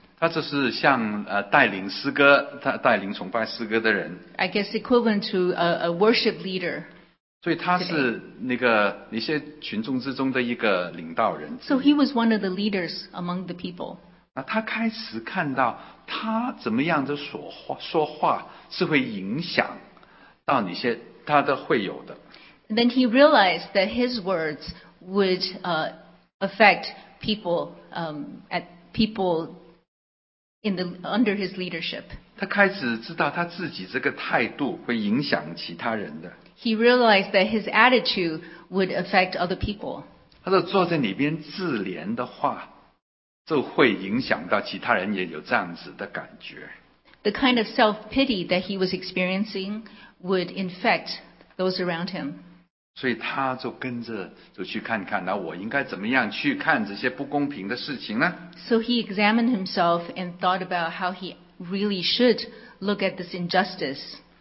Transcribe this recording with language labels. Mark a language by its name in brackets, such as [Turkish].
[Chinese] 他就是像带领诗歌，他带领崇拜诗歌的人。 [English] I guess equivalent to a worship leader. [Chinese] 所以他是那个那些群众之中的一个领导人。 [English] So he was one of the leaders among the people. [Chinese] 那他开始看到他怎么样的说话是会影响到那些他的会友的。 [English] Then he realized that his words would affect people under his leadership. [Chinese] 他开始知道他自己这个态度会影响其他人的。 [English] He realized that his attitude would affect other people. [Chinese] 他就坐在那边自怜的话，就会影响到其他人也有这样子的感觉。 [English] The kind of self-pity that he was experiencing would infect those around him. [Chinese] 所以他就跟着就去看看，那我应该怎么样去看这些不公平的事情呢？ [English] So he examined himself and thought about how he really should look at this injustice.